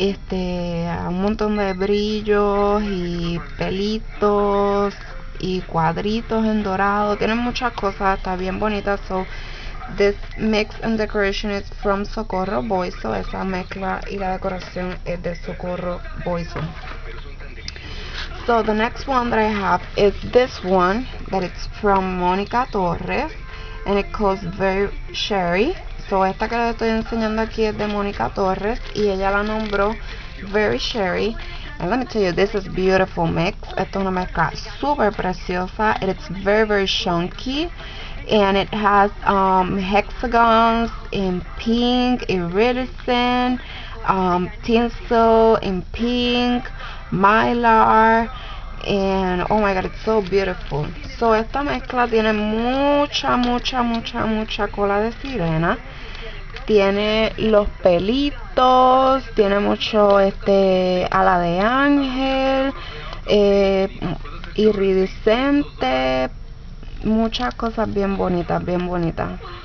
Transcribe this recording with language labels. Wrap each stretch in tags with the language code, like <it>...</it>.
<es>Un montón de brillos y pelitos y cuadritos en dorado. Tienen muchas cosas, está bien bonita.</es> <en>So this mix and decoration is from Socorro Boiso.</en> <es>Esa mezcla y la decoración es de Socorro Boiso.</es> <en>So the next one that I have is this one, that it's from Monica Torres, and it calls Very Cherry.</en> <es>So esta que les estoy enseñando aquí es de Monica Torres, y ella la nombró Very Cherry.</es> <en>And let me tell you, this is beautiful mix.</en> <es>Esta es una mezcla super preciosa.</es> <en>It is very, very chunky. And it has hexagons in pink, iridescent, tinsel in pink, mylar, and oh my god, it's so beautiful.</en> <es>So esta mezcla tiene mucha, mucha, mucha, mucha cola de sirena. Tiene los pelitos, tiene mucho ala de ángel, iridiscente, muchas cosas bien bonitas, bien bonitas.</es>